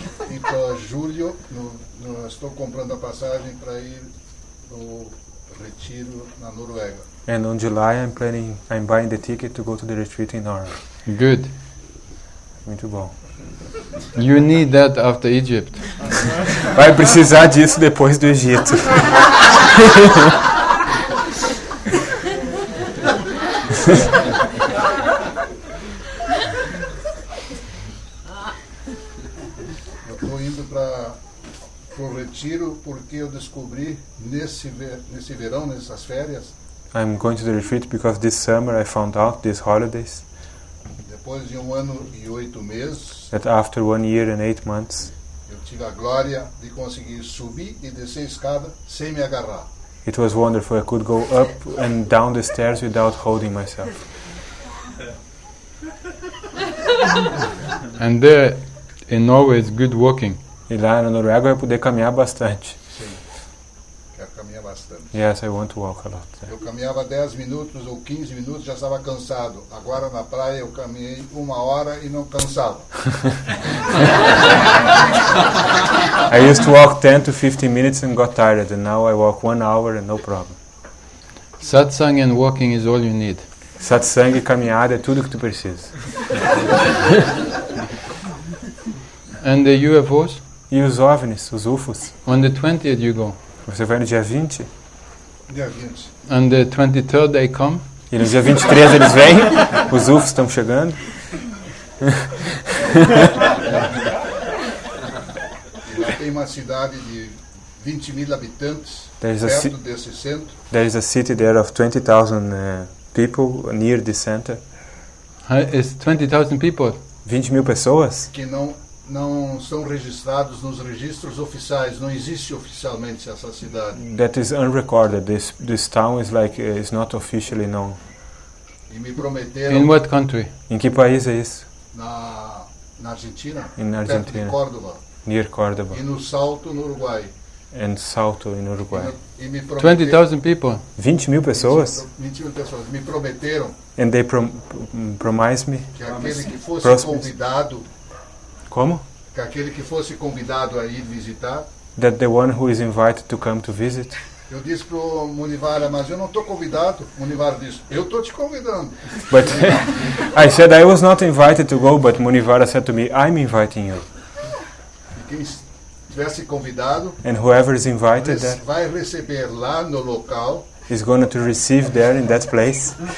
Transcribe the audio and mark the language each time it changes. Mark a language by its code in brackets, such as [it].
[pt] Então, julho, estou comprando a passagem para ir no retiro na Noruega. [en] And on July, I'm buying the ticket to go to the retreat in Norway. Good. [pt] Muito bom. [en] You need that after Egypt. [pt] Vai precisar disso depois do Egito. Eu estou indo para o retiro porque eu descobri nesse verão, nessas férias. [en] I'm going to the retreat because this summer I found out these holidays. [pt] Depois de ano e oito meses, [en] that after 1 year and 8 months, [pt] eu tive a glória de conseguir subir e descer a escada sem me agarrar. [en] It was wonderful. I could go up and down the stairs without holding myself. And there, in Norway, it's good walking. [pt] E lá na Noruega eu ia poder caminhar bastante. Sim. Quero caminhar bastante. bastante. [en] Yes, I want to walk a lot. [pt] Eu caminhava 10 minutos ou 15 minutos, já estava cansado. Agora na praia eu caminhei uma hora e não cansava. [en] I used to walk 10 to 15 minutes and got tired, and now I walk 1 hour and no problem. Satsang and walking is all you need. [pt] Satsang e caminhada é tudo que tu precisa. [en] And the UFOs? [pt] E os OVNIs, os UFOs? [en] On the 20th you go. [pt] Você vai no dia 20? Dia 20. [en] On the 23rd they come. [pt] E no dia 23 eles vêm? Os UFOs estão chegando? Tem uma cidade de 20 mil habitantes perto desse centro. [en] There is a city there of 20,000 people near the center. It's 20,000 people. [pt] 20 mil pessoas? Que não são registrados nos registros oficiais. Não existe oficialmente essa cidade. [en] That is unrecorded. This town is like is not officially known. [pt] E me prometeram. [en] In what country? [pt] Em que país é isso? Na Argentina. [en] In Argentina. [pt] Perto de Córdoba. [en] Near Córdoba. [pt] E no Salto, no Uruguai. [en] And Salto in Uruguay. 20,000 people. [pt] 20 mil pessoas. 20 mil pessoas. Me prometeram. [en] And they promised me. [pt] Que aquele que fosse convidado. Como? Que aquele que fosse convidado a ir visitar. [en] That the one who is invited to come to visit. [pt] Eu disse pro Munivara, mas eu não tô convidado. Munivara disse, eu tô te convidando. [en] But I said I was not invited to go, but Munivara said to me, I'm inviting you. [pt] Tivesse convidado. [en] And whoever is invited [pt] vai receber lá no local. [en] Is going to receive there in that place.